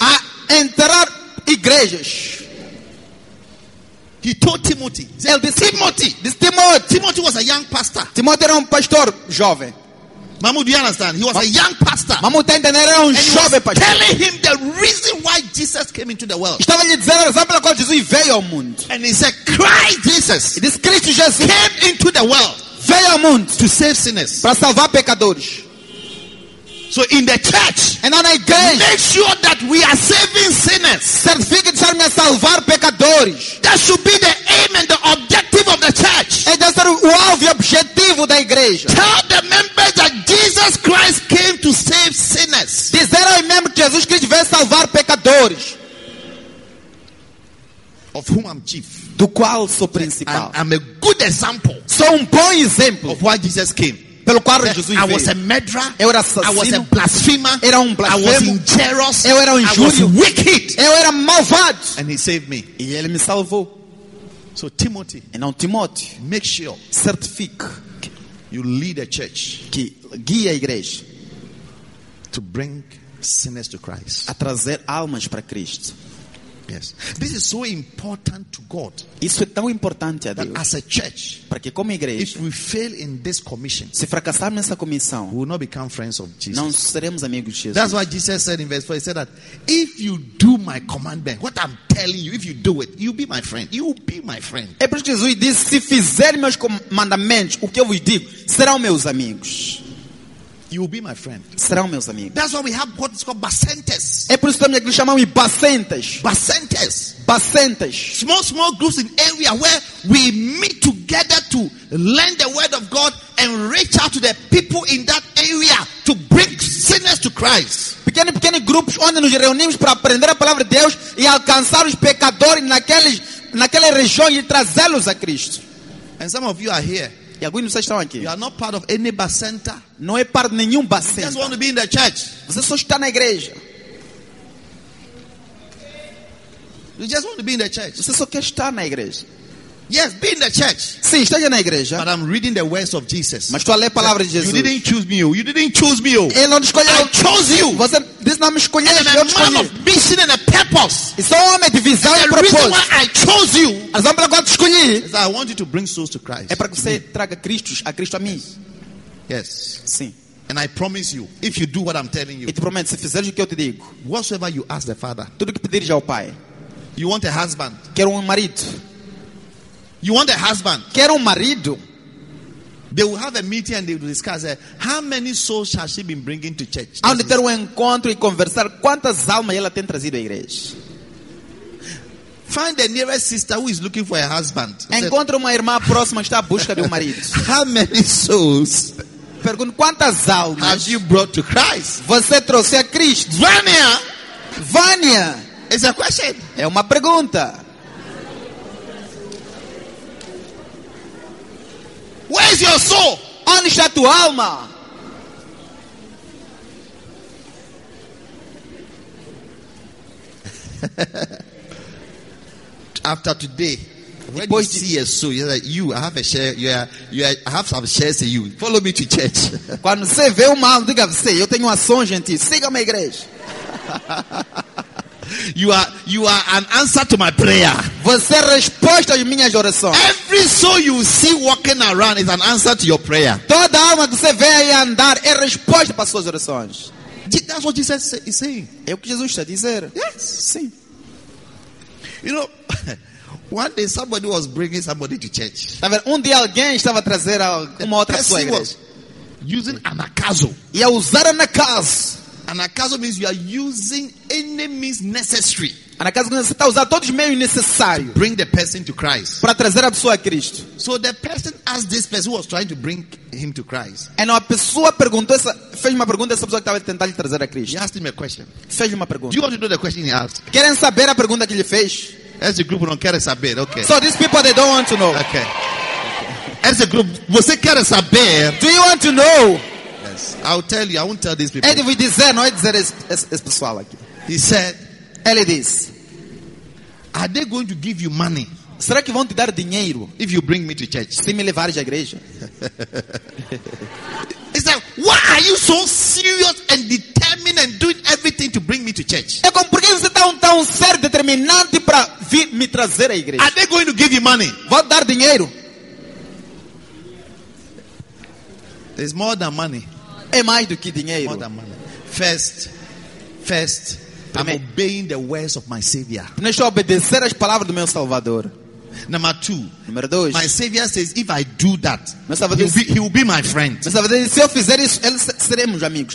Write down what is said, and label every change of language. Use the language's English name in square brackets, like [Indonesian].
[Portuguese] A enterrar igrejas. [English] He told Timothy. [Portuguese] Ele disse Timothy. [English] This Timothy. Timothy was a young pastor. [Portuguese] Timothy era pastor jovem. [English] Mamu, do you understand? He was a young pastor. Mamu, and he was telling him the reason why Jesus came into the world. [Portuguese] Estava lhe dizendo o exemplo qual Jesus veio ao mundo. [English] And he said, Christ Jesus. It is Christ Jesus came into the world. [Portuguese] Veio ao mundo [English] to save sinners. [Portuguese] Para salvar pecadores. [English] So in the church, and on a grace, make sure that we are saving sinners. [Portuguese] Certifique de ser salvar pecadores. [English] That should be the aim and the objective of the church. salvation. Tell the members that Jesus Christ came to save sinners. [Portuguese] Dizer aos membros que Jesus Cristo veio salvar pecadores. [English] Of whom I'm chief. [Portuguese] Do qual sou principal. [English] I'm a good example. [Portuguese] Sou bom exemplo. [English] Of why Jesus came. [Portuguese] Pelo qual Jesus [English] I [Portuguese] veio. [English] Was a murderer. [Portuguese] Eu era assassino. [English] I was a blasphemer. [Portuguese] Era blasfemo. [English] I was injurious. [Portuguese] Eu era injúrio. [English] I was wicked. [Portuguese] Eu era malvado. [English] And he saved me. [Portuguese] E ele me salvou. [English] So Timothy, and now Timothy, make sure, [Portuguese] certifique, [English] you lead a church, [Portuguese] que guia a igreja, [English] to bring sinners to Christ, [Portuguese] a trazer almas para Cristo. [English] Yes, this is so important to God. [Portuguese] Isso é tão importante a Deus. [English] That as a church, [Portuguese] para que como igreja, [English] if we fail in this commission, [Portuguese] se fracassar nessa comissão, [English] we will not become friends of Jesus. [Portuguese] Não seremos amigos de Jesus. [English] That's why Jesus said in verse 4, he said that if you do my commandment, what I'm telling you, if you do it, you'll be my friend. You'll be my friend. [Portuguese] É por isso que Jesus disse, se fizer meus comandamentos, o que eu vos digo, serão meus amigos. [English] You will be my friend. [Portuguese] Serão meus amigos. [English] That's why we have what is called bacentes. [Portuguese] É por isso que nós chamamos de bacentes. Bacentes. Bacentes. [English] Small, small groups in area where we meet together to learn the word of God and reach out to the people in that area to bring sinners to Christ. [Portuguese] Pequenos, pequenos grupos onde nos reunimos para aprender a palavra de Deus e alcançar os pecadores naquela região e trazê-los a Cristo. [English] And some of you are here. [Portuguese] E alguns de vocês estão aqui. [English] You are not part of any bacenta. [Portuguese] Não é parte de nenhum bacenta. [English] You just want to be in the church. [Portuguese] Você só está na igreja. [English] You just want to be in the church. [Portuguese] Você só quer estar na igreja. [English] Yes, be in the church. [Portuguese] Sim, esteja na igreja. [English] But I'm reading the words of Jesus. [Portuguese] Mas estou a ler a palavra de Jesus. [English] You didn't choose me, you didn't choose me. [Portuguese] Ele não escolheu. [English] I chose you. [Portuguese] Você disse não me escolheu. [English] And I'm a man of mission and a purpose. [Portuguese] E sou homem de visão e propósito. [English] The reason why I chose you. [Portuguese] A razão pela qual te escolhi. [English] Is that I want you to bring souls to Christ. [Portuguese] É para que você traga a Cristo a mim. [English] Yes. [Portuguese] Sim. [English] And I promise you, if you do what I'm telling you. [Portuguese] E te prometo, se fizeres o que eu te digo. [English] Whatsoever you ask the Father. [Portuguese] Tudo que pedires ao Pai. [English] You want a husband. [Portuguese] Quero marido. [English] You want a husband? [Portuguese] Quero marido. [English] They will have a meeting and they will discuss how many souls has she been bringing to church. [Portuguese] Onde ter um encontro e conversar quantas almas ela tem trazido à igreja. [English] Find the nearest sister who is looking for a husband. [Portuguese] Encontre uma irmã próxima que está à busca de marido. [English] How many souls? [Portuguese] Pergunto quantas almas. [English] Have you brought to Christ? [Portuguese] Você trouxe a Cristo? Vânia. Vânia. [English] It's a question. [Portuguese] É uma pergunta. [English] Where is your soul? [Portuguese] Onde está tua alma? [English] After today, when you see a soul, you're like, you, I have a share. You are, I have some shares in you. Follow me to church. [Portuguese] Quando você vê uma alma, diga você, eu tenho ação, gente. Siga minha igreja. [English] You are an answer to my prayer. [Portuguese] Você é resposta às minhas orações. [English] Every soul you see walking around is an answer to your prayer. [Portuguese] Toda alma que você vê aí andar é resposta para suas orações. [English] That's what Jesus is saying. [Portuguese] É o que Jesus está dizendo. [English] Yes. [Portuguese] Sim. [English] You know, one day somebody was bringing somebody to church. [Portuguese] Dia alguém estava trazendo uma outra pessoa. [English] Was using an acaso. [Portuguese] E a usar an acaso. [English] An acaso means you are using any means necessary. An acaso means [Portuguese] você está usando todos os meios necessários. [English] To bring the person to Christ. [Portuguese] Para trazer a pessoa a Cristo. [English] So the person asked this person who was trying to bring him to Christ. [Portuguese] And a pessoa perguntou essa, fez uma pergunta essa pessoa que estava tentando trazer a Cristo. [English] He asked him a question. [Portuguese] Fez uma pergunta. [English] Do you want to know the question he asked? [Portuguese] Querem saber a pergunta que ele fez? [English] As a group, [Portuguese] não querem saber. [English] Okay. So these people, they don't want to know. Okay. As a group, [Portuguese] você quer saber? [English] Do you want to know? I'll tell you, I won't tell these people. [Portuguese] Ele disse, não é dizer esse pessoal aqui. [English] He said, [Portuguese] ele diz, [English] are they going to give you money? [Portuguese] Será que vão te dar dinheiro? [English] If you bring me to church. [Portuguese] Se me levares à igreja. [English] He said, why are you so serious and determined and doing everything to bring me to church? [Portuguese] É como, por que você está tão sério, determinante para vir me trazer à igreja? [English] Are they going to give you money? [Portuguese] Vão te dar dinheiro? [English] There's more than money. [Portuguese] É mais do que dinheiro. [English] First, [Portuguese] primeiro, [English] I'm obeying the words of my Savior. [Portuguese] Primeiro, estou a obedecer as palavras do meu Salvador. [English] Number two. [Portuguese] Número dois. [English] My Savior says, if I do that, [Portuguese] meu Salvador, [English] he will be my friend. [Portuguese] Meu Salvador, se eu fizer isso, ele seremos amigos.